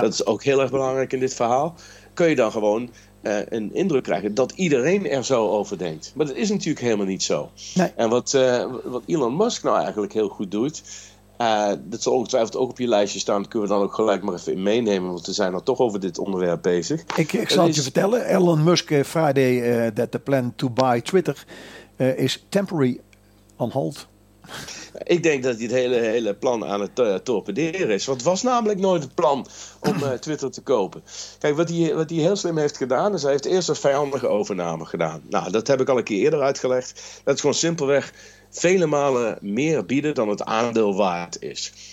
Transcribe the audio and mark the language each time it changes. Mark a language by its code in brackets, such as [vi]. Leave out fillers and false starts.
[nl] Dat is ook heel erg belangrijk in dit verhaal. Kun je dan gewoon een indruk krijgen dat iedereen er zo over denkt. Maar dat is natuurlijk helemaal niet zo. Nee. En wat Elon Musk nou eigenlijk heel goed doet, dat zal ongetwijfeld ook op je lijstje staan, dat kunnen we dan ook gelijk maar even meenemen, want we zijn al toch over dit onderwerp bezig. Ik zal het je vertellen. [en] Elon Musk, Friday, that the plan to buy Twitter is temporary on hold. [nl] Ik denk dat hij het hele plan aan het torpederen is. Want het was namelijk nooit het plan om Twitter te kopen. Kijk, wat hij heel slim heeft gedaan, is hij heeft eerst een vijandige overname gedaan. Nou, dat heb ik al een keer eerder uitgelegd. Dat is gewoon simpelweg vele malen meer bieden dan het aandeel waard is.